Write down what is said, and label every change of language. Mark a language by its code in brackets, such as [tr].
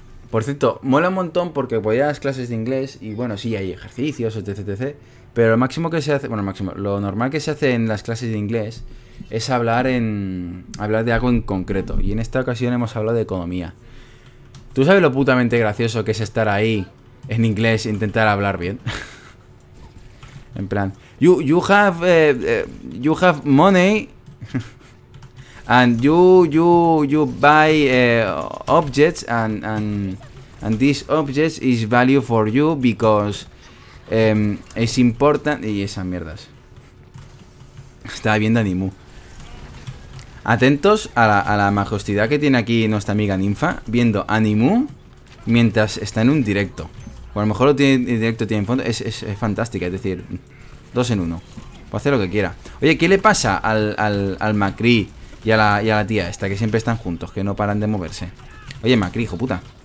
[es] Por cierto, mola un montón porque voy a las clases de inglés y bueno, sí, hay ejercicios, etc, etc. Pero lo máximo que se hace... Bueno, máximo, lo normal que se hace en las clases de inglés es hablar en... hablar de algo en concreto. Y en esta ocasión hemos hablado de economía. ¿Tú sabes lo putamente gracioso que es estar ahí en inglés e intentar hablar bien? En plan, [en] you have money and you buy objects and this objects is value for you because [es] es important y esas mierdas. Estaba viendo a Nimu. Atentos a la majestuosidad que tiene aquí nuestra amiga Ninfa viendo a Nimu mientras está en un directo. O a lo mejor lo tiene en directo, tiene en fondo. Es fantástica, es decir, dos en uno. Puede hacer lo que quiera. Oye, ¿qué le pasa al Macri y a la tía esta que siempre están juntos, que no paran de moverse? Oye, Macri, hijo puta.